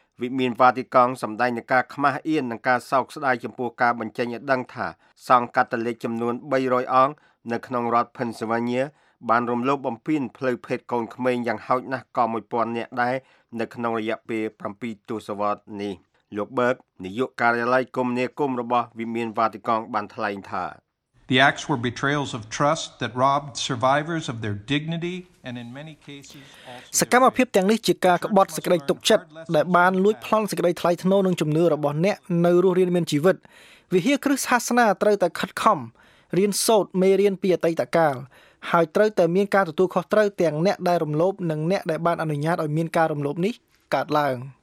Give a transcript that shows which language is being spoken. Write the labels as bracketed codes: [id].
[km] វិមានវ៉ាទីកង់សម្ដែងនឹងការខ្មាស់អៀននិងការសោកស្ដាយចំពោះការបញ្ចេញឥដឹងថាសង្ឃកាតូលិកចំនួន300អង្គនៅក្នុងរដ្ឋ Pennsylvania បានរំលោភបំពានផ្លូវភេទកូនក្មេងយ៉ាងហោចណាស់ក៏1000នាក់ដែរនៅក្នុងរយៈពេល7ទសវត្សរ៍នេះលោក Berg នាយកការិយាល័យគមនាគមន៍របស់វិមានវ៉ាទីកង់បានថ្លែងថា [en] The acts were betrayals of trust that robbed survivors of their dignity and in many cases also [km] សកម្មភាពទាំងនេះជាការក្បត់សេចក្តីទុកចិត្តដែលបានលួចប្លន់សេចក្តីថ្លៃថ្នូរនិងជំនឿរបស់អ្នកនៅរស់រានមានជីវិតវិហារគ្រឹះសាសនាត្រូវតែខិតខំរៀនសូត្រមេរៀនពីអតីតកាលហើយត្រូវតែមានការទទួលខុសត្រូវទាំងអ្នកដែលរំលោភនិងអ្នកដែលបានអនុញ្ញាតឲ្យមានការរំលោភនេះកើតឡើង